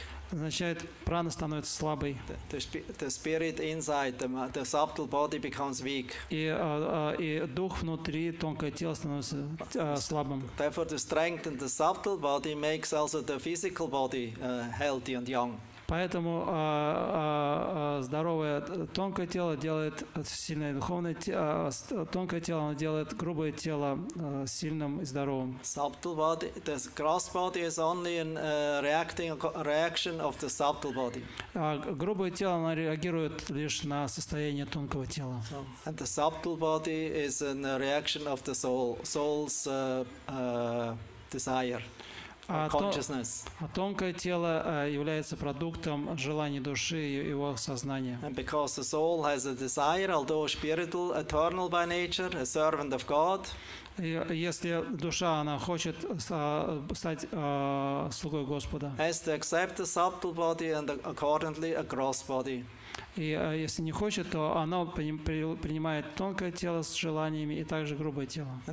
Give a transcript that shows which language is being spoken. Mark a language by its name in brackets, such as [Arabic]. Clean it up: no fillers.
[Russian] Означает, прана становится слабой. [English] The spirit inside, the subtle body becomes weak. [Russian] И дух внутри, тонкое тело становится слабым. [English] Therefore, the strength in the subtle body makes also the physical body healthy and young. [Russian] Поэтому здоровое тонкое тело делает сильное духовное тонкое тело делает грубое тело сильным и здоровым. [English] Subtle body, the gross body is only a reaction of the subtle body. [Russian] Грубое тело реагирует лишь на состояние тонкого тела. [English] So, and the subtle body is a reaction of the soul's desire. [Russian] А тонкое тело является продуктом желаний души и его сознания. [English] And because the soul has a desire, although spiritual, eternal by nature, a servant of God. [Russian] Если душа она хочет стать слугой Господа. [English] Has to accept the subtle body and accordingly a gross body. [Russian] И если не хочет, то оно принимает тонкое тело с желаниями и также грубое тело.